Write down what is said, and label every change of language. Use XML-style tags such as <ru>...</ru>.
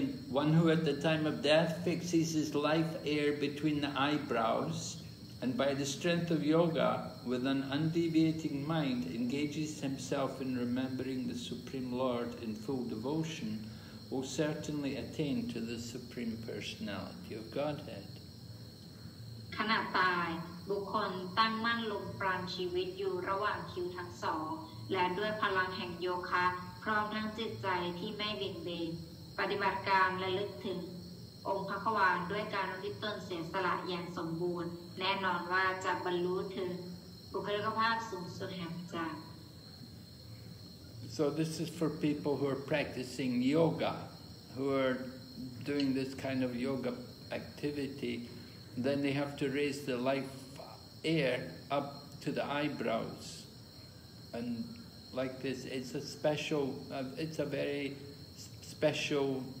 <en>One who at the time of death fixes his life air between the eyebrows. And by the strength of yoga, with an undeviating mind, engages himself in remembering the Supreme Lord in full devotion, will certainly attain to the Supreme Personality of Godhead.</en> <th>ขณะตายบุคคลตั้งมั่นลงปราณชีวิตอยู่ระหว่างคิ้วทั้งสองและด้วยพลังแห่งโยคะพร้อมทั้งจิตใจที่ไม่เบี่ยงเบนปฏิบัติการและลึกถึงองค์พระควานด้วยการอุทิศตนเสียสละอย่างสมบูรณ์แน่นอนว่าจะบรรลุถึงบุคลิกภาพสูงสุดแห่งพระเจ้า</th> <en>So this is for people who are practicing yoga, who are doing this kind of yoga activity, then they have to raise the life air up to the eyebrows, and like this, it's a special, it's a very special.</en>